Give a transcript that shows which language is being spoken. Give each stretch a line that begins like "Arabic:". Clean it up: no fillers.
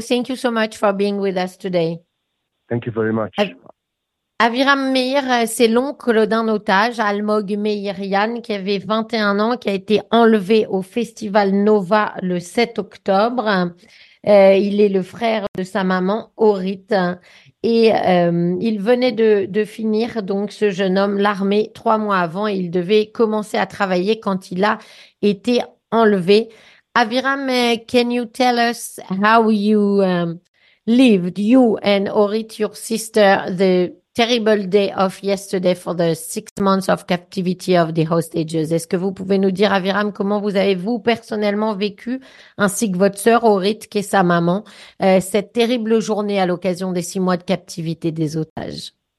English: Thank you so much for being with us today. Thank you very much.
French: Aviram Meir, c'est l'oncle d'un otage, Almog Meirian, qui avait 21 ans, qui a été enlevé au festival Nova le 7 octobre. Il est le frère de sa maman, Orit. Et il venait de finir, donc ce jeune homme, l'armée 3 mois avant. Et il devait commencer à travailler quand il a été enlevé.
English: Aviram, can you tell us how you lived, you and Orit, your sister, the terrible day of yesterday for the 6 months of captivity of the hostages?
French: Est-ce que vous pouvez nous dire, Aviram, comment vous avez, vous, personnellement vécu, ainsi que votre sœur Orit, qui est sa maman, cette terrible journée à l'occasion des 6 mois de captivité des otages?